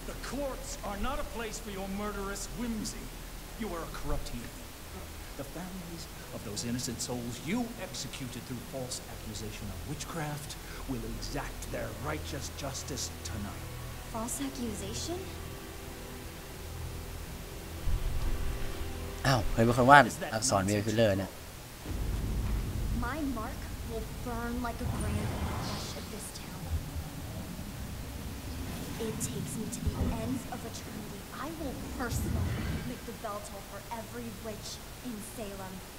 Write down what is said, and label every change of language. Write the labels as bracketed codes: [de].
[en] The courts are not a place for your murderous whimsy. You are a corrupt human. The families of those innocent souls you executed through false accusation of witchcraft will exact their righteous justice tonight. False accusation? [th] อ้าวเคยเป็นคนวาดอักษรเบลคิวเลอร์เนี่ย [en] My mark will burn like a brand ash of this town. It takes me to the ends of eternity. I will personally make the bell toll for every witch in Salem.